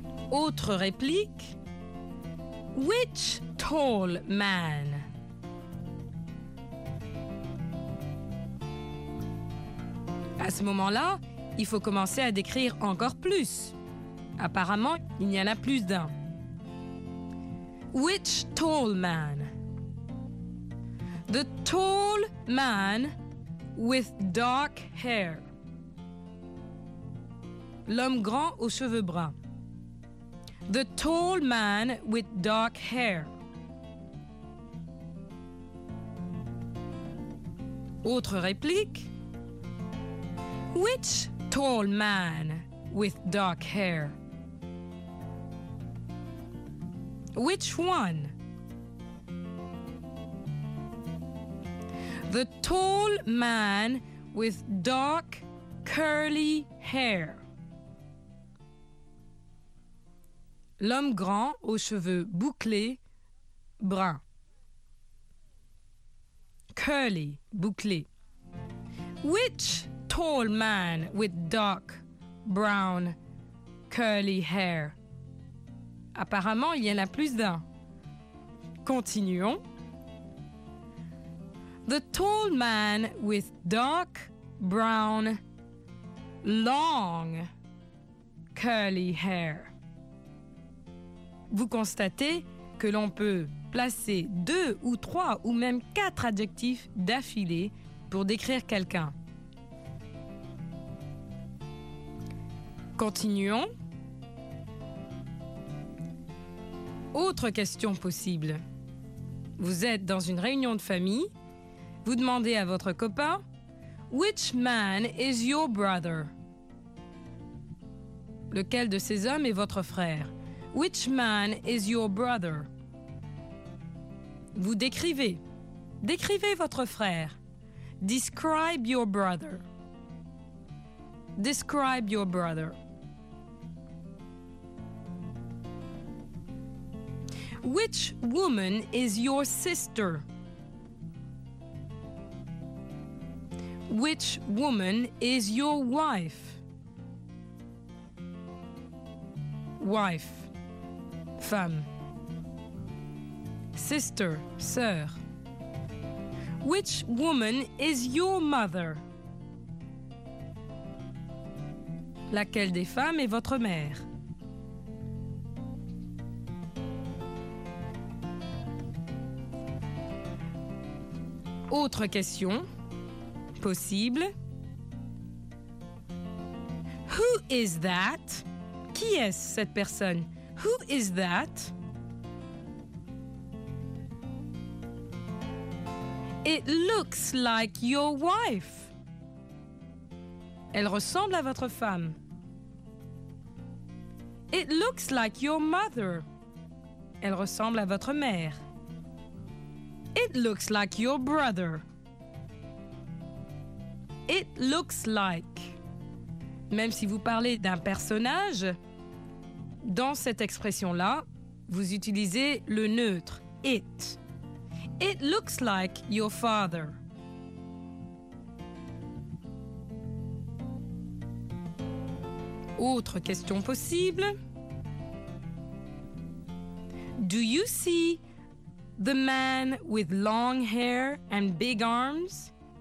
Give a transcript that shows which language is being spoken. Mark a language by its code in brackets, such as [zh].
[fr] Autre réplique. [en] Which tall man? [fr] À ce moment-là, il faut commencer à décrire encore plus. Apparemment, il y en a plus d'un. [en] Which tall man? The tall man with dark hair. [fr] L'homme grand aux cheveux bruns. [en] The tall man with dark hair. [fr] Autre réplique. [en] Which tall man with dark hair? Which one? The tall man with dark curly hair. [fr] L'homme grand aux cheveux bouclés, bruns. Curly, bouclé. [en] Which tall man with dark brown curly hair. [fr] Apparemment, il y en a plus d'un. Continuons. [en] The tall man with dark brown long curly hair. [fr] Vous constatez que l'on peut placer deux ou trois ou même quatre adjectifs d'affilée pour décrire quelqu'un. Continuons. Autre question possible. Vous êtes dans une réunion de famille. Vous demandez à votre copain, [en] Which man is your brother? [fr] Lequel de ces hommes est votre frère? [en] Which man is your brother? [fr] Vous décrivez. Décrivez votre frère. [en] Describe your brother. Describe your brother. Which woman is your sister? Which woman is your wife? Wife, femme. Sister, sœur. Which woman is your mother? [fr] Laquelle des femmes est votre mère? Autre question possible. [en] Who is that? [fr] Qui est-ce cette personne? [en] Who is that? It looks like your wife. [fr] Elle ressemble à votre femme. [en] It looks like your mother. [fr] Elle ressemble à votre mère. [en] It looks like your brother. It looks like. [fr] Même si vous parlez d'un personnage, dans cette expression-là, vous utilisez le neutre, it. [en] It looks like your father. [fr] Autre question possible. [en] Do you see the man with long hair and big arms?